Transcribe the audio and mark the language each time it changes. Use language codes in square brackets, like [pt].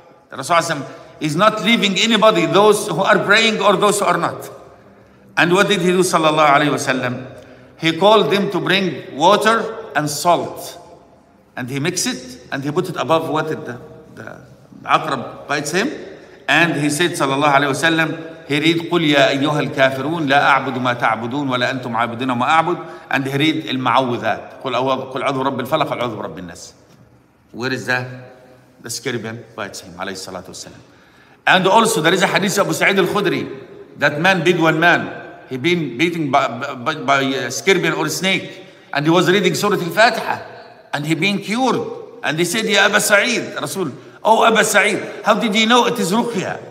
[en] The Rasul صلى الله عليه وسلم is not leaving anybody, those who are praying or those who are not. And what did he do, صلى الله عليه وسلم? He called them to bring water and salt. And he mix it and he put it above what the aqrab bites him. And he said, [ar] صلى الله عليه وسلم, [en] he read, [ar] قل يا أيها الكافرون لا أعبد ما تعبدون ولا أنتم عابدون ما أعبد. [en] And he read المعوذات. [ar] قل عوذ رب الفلق وعوذ رب الناس. [en] Where is that? The scorpion bites him, عليه الصلاة والسلام. And also there is a hadith of Abu Sa'id al-Khudri. That man, big one man, he been beaten by a scorpion or a snake. And he was reading Surah Al-Fatiha. And he being cured. And he said, Ya Aba Sa'id, Rasul, oh Aba Sa'id, how did you know it is ruqya?